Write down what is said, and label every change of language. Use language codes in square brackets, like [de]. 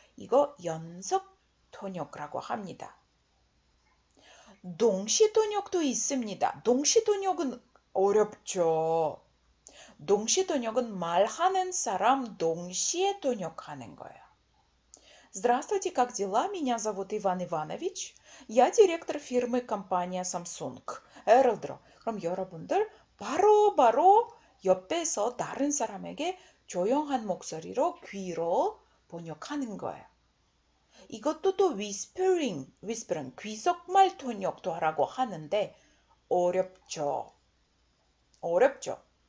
[ko] 이거 연속 통역이라고 합니다. 동시 통역도 있습니다. 동시 통역은 어렵죠. 동시 통역은 말하는 사람 동시에 통역하는 거예요. [ru] Здравствуйте, как дела? Меня зовут Иван Иванович. Я директор фирмы компания Samsung. 에르드로. [ko] 그럼 여러분들 바로 옆에서 다른 사람에게 조용한 목소리로 귀로 번역하는 거예요. 이것도 또 위스퍼링, 귀속말 통역도 하라고 하는데 어렵죠. 어렵죠.